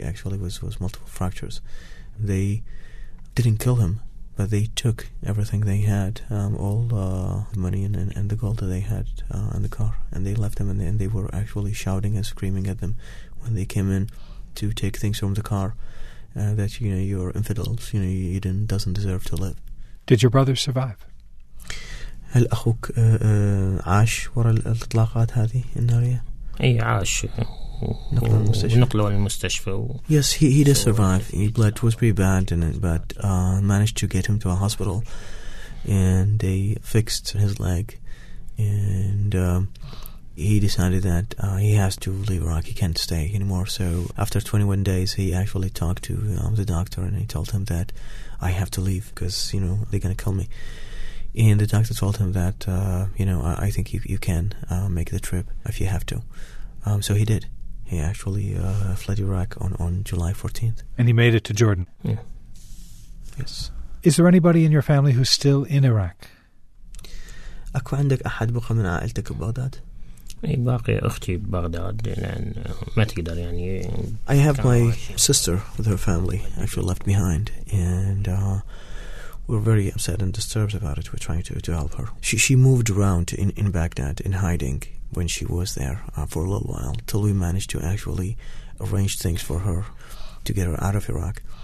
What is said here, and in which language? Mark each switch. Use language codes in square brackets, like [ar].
[en] Actually, was multiple fractures. They didn't kill him, but they took everything they had, all the money and the gold that they had in the car, and they left them. And they were actually shouting and screaming at them when they came in to take things from the car. That, you know, you're infidels, you know, you didn't, doesn't deserve to live. Did your brother survive? [ar] هل أخوك عاش وراء الاطلاقات هذه النارية؟ أي عاش نقلوا المستشفى. [en] Yes, he did survive. He bled, was pretty bad, but managed to get him to a hospital, and they fixed his leg, and he decided that he has to leave Iraq. He can't stay anymore. So after 21 days, he actually talked to the doctor, and he told him that I have to leave because, you know, they're going to kill me. And the doctor told him that, you know, I think you can make the trip if you have to. So he did. He actually fled Iraq on July 14th. And he made it to Jordan. Yeah. Yes. Is there anybody in your family who's still in Iraq? [ar] أكو عندك أحد بقى من عائلتك ببغداد؟ باقي أختي ببغداد لأن ما تقدر يعني. [en] I have my sister with her family actually left behind, and we're very upset and disturbed about it. We're trying to help her. She moved around in Baghdad in hiding when she was there for a little while till we managed to actually arrange things for her to get her out of Iraq.